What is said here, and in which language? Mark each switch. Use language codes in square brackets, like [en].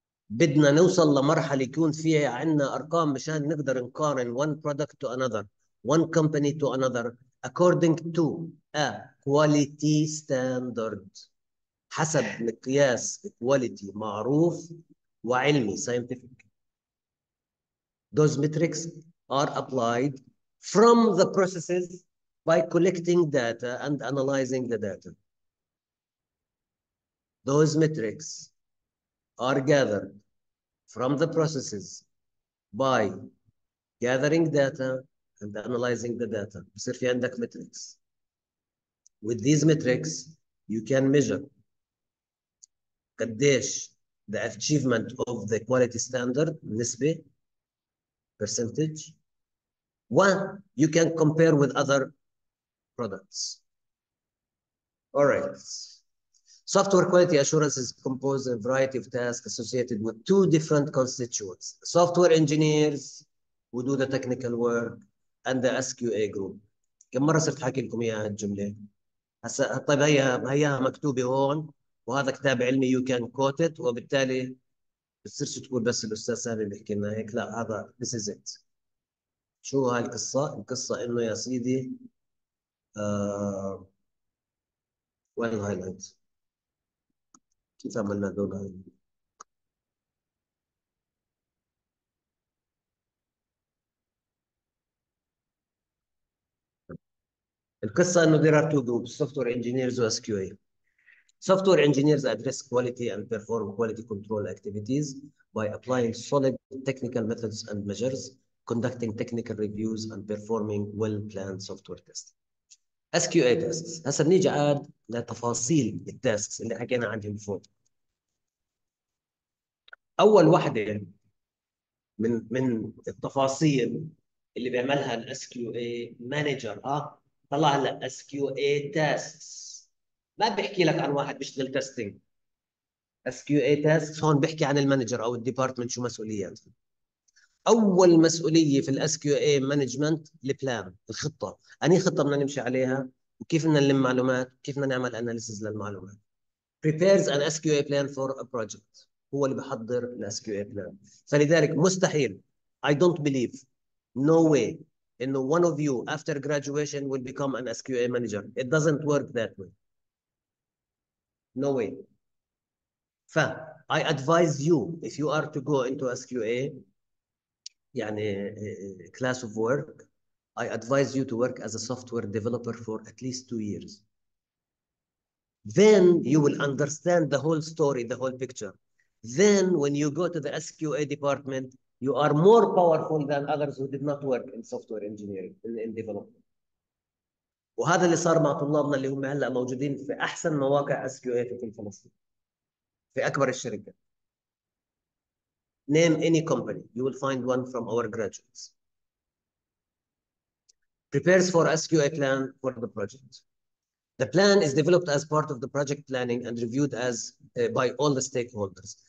[ar] بدنا نوصل لمرحله يكون فيها عندنا ارقام مشان نقدر نقارن [en] one product to another، one company to another according to a quality standard، [ar] حسب مقياس كواليتي معروف وعلمي scientific. [en] Those metrics are applied from the processes by collecting data and analyzing the data. Those metrics are gathered from the processes by gathering data and analyzing the data. [ar] بصير في عندك metrics. [en] With these metrics, you can measure [ar] قديش [en] the achievement of the quality standard [ar] نسبة [en] percentage. One, you can compare with other products. All right. Software quality assurance is composed of a variety of tasks associated with two different constituents. Software engineers who do the technical work and the SQA group. [ar] كم مرة صرت حاكي لكم إياها الجملة؟ هسا طيب هيها مكتوبة هون، وهذا كتاب علمي [en] you can quote it، [ar] وبالتالي بتصيرش تقول بس الأستاذ سامي بيحكي لنا هيك. لا، هذا [en] this is it. [ar] شو هاي القصة؟ القصة إنه يا سيدي وين الهايلايت؟ كيف عملنا دول هايلايت؟ القصة إنه [en] there are two groups, [ar] software engineers و SQA. [en] Software engineers address quality and perform quality control activities by applying solid technical methods and measures, conducting technical reviews and performing well-planned software tests. SQA tasks. [ar] هسا بنيجي عاد لتفاصيل التاسكس اللي حكينا عنهم فوق. أول وحدة من التفاصيل اللي بيعملها الـ SQA manager، طلع هلا SQA tasks. ما بيحكي لك عن واحد بيشتغل تيستينج. اس كيو اي تاسكس هون بيحكي عن المانجر او الديبارتمنت شو مسؤولياته. اول مسؤوليه في الاس كيو اي مانجمنت البلان، الخطه. اني خطه بدنا نمشي عليها وكيف بدنا نلم معلومات، كيف بدنا نعمل اناليسز للمعلومات. [en] prepares an SQA plan for a project، [ar] هو اللي بحضر [en] ال SQA plan. [ar] فلذلك مستحيل، [en] I don't believe, no way, انه one of you after graduation will become an SQA manager. It doesn't work that way. No way. ف I advise you, if you are to go into SQA, يعني class of work, I advise you to work as a software developer for at least 2 years. Then you will understand the whole story, the whole picture. Then when you go to the SQA department, you are more powerful than others who did not work in software engineering, in development. [ar] وهذا اللي صار مع طلابنا اللي هم هلأ موجودين في أحسن مواقع SQA في كل فلسطين. في أكبر الشركات. [en] Name any company, you will find one from our graduates. Prepares for SQA plan for the project. The plan is developed as part of the project planning and reviewed as by all the stakeholders.